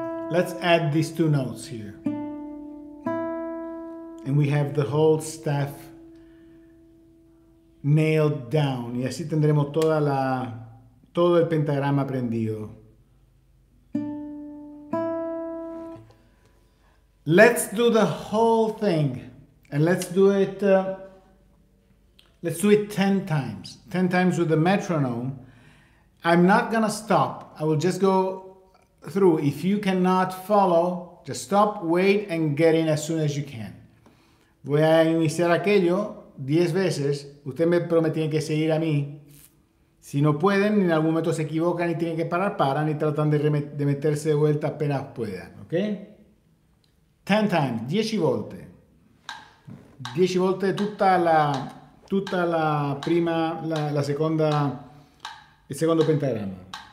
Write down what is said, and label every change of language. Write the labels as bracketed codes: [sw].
[en] Let's add these two notes here. And we have the whole staff nailed down. [es] Y así tendremos toda la, todo el pentagrama prendido. [en] Let's do the whole thing, and let's do it 10 times. 10 times with the metronome. I'm not gonna stop. I will just go through. If you cannot follow, just stop, wait, and get in as soon as you can. [es] Voy a iniciar aquello 10 veces. Usted me prometió que seguir a mí. Si no pueden, en algún momento se equivocan y tienen que parar, paran y tratan de meterse de vuelta apenas puedan, ¿ok? [en] 10 times, [it] 10 volte. 10 volte tutta la prima, la seconda, il secondo pentagramma.